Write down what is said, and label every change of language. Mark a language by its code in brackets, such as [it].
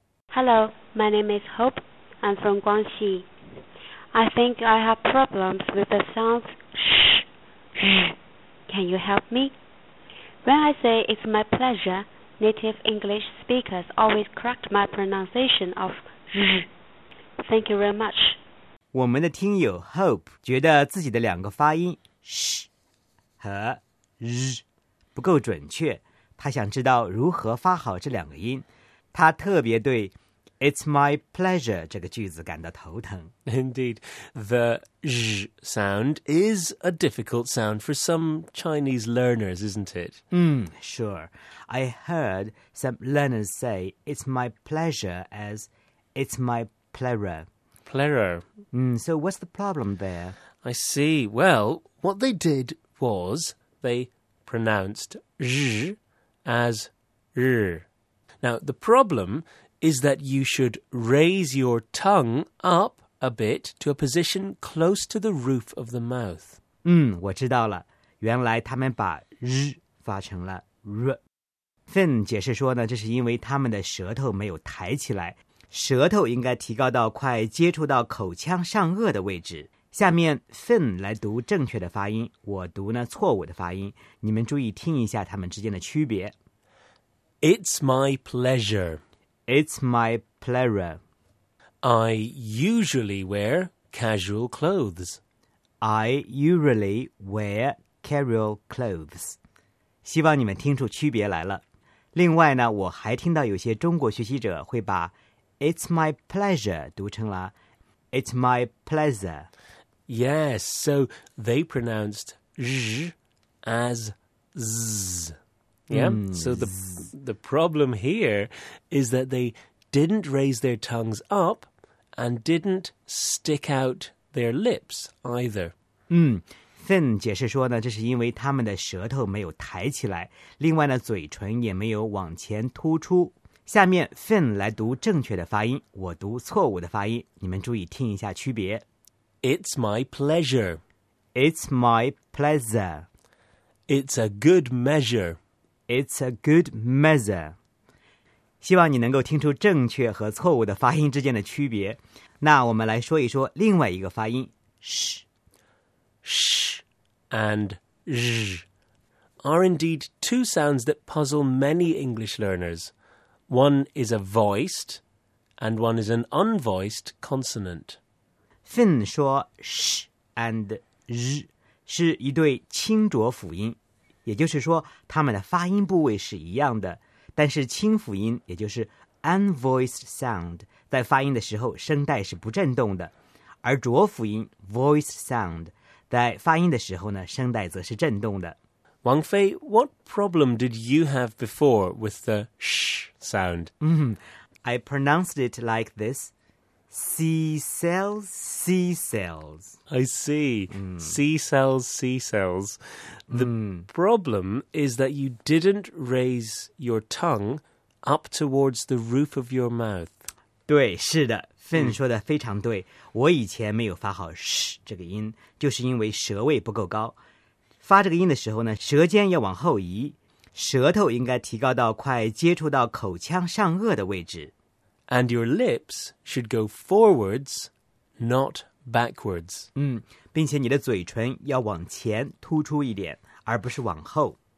[en] Hello, my name is Hope. I'm from Guangxi. I think I have problems with the sounds sh, zh. Can you help me? When I say it's my pleasure, native English speakers always correct my pronunciation of zh. Thank you very much. [zh] 我们的听友 Hope 觉得自己的两个发音 sh 和 zh 不够准确，他想知道如何发好这两个音。他特别对 "It's my pleasure" 这个句子感到头疼。 [en] Indeed, the zh sound is a difficult sound for some Chinese learners, isn't it? Sure. I heard some learners say "It's my pleasure" as "It's my plera." Plera. So what's the problem there? I see. Well, what they did was they pronounced zh as r. Now, the problem is that you should raise your tongue up a bit to a position close to the roof of the mouth. [zh] 我知道了。原来他们把 zh 发成了 r. Finn 解释说呢，这是因为他们的舌头没有抬起来。舌头应该提高到快接触到口腔上颚的位置。下面 Finn 来读正确的发音，我读呢错误的发音。你们注意听一下他们之间的区别。 [en] It's my pleasure. It's my pleasure. I usually wear casual clothes. I usually wear casual clothes. [zh] 希望你们听出区别来了。另外呢，我还听到有些中国学习者会把 [en] It's my pleasure, [zh] 读成了 It's my pleasure. [en] Yes, so they pronounced zh as z. Yeah, so the problem here is that they didn't raise their tongues up and didn't stick out their lips either. [zh] Finn 解释说呢，这是因为他们的舌头没有抬起来，另外呢，嘴唇也没有往前突出。下面 Finn 来读正确的发音，我读错误的发音，你们注意听一下区别。 It's my pleasure. It's my pleasure. It's a good measure. It's a good measure. 希望你能够听出正确和错误的发音之间的区别。那我们来说一说另外一个发音 sh. [en] Sh and zh are indeed two sounds that puzzle many English learners. One is a voiced, and one is an unvoiced consonant. [zh] Finn 说 sh and zh 是一对清浊辅音，也就是说它们的发音部位是一样的，但是清辅音，也就是 unvoiced sound, 在发音的时候声带是不振动的，而浊辅音 voiced sound, 在发音的时候呢声带则是振动的。 [en] Wang Fei, what problem did you have before with the sh sound? I pronounced it like this. Seashells, seashells. I see. Seashells, seashells. The problem is that you didn't raise your tongue up towards the roof of your mouth. [zh] 对，是的。Finn 说的非常对。我以前没有发好 sh 这个音，就是因为舌位不够高。发这个音的时候呢，舌尖要往后移，舌头应该提高到快接触到口腔上颚的位置。 [en] And your lips should go forwards, not backwards. [zh] 并且你的嘴唇要往前突出一点，而不是往后。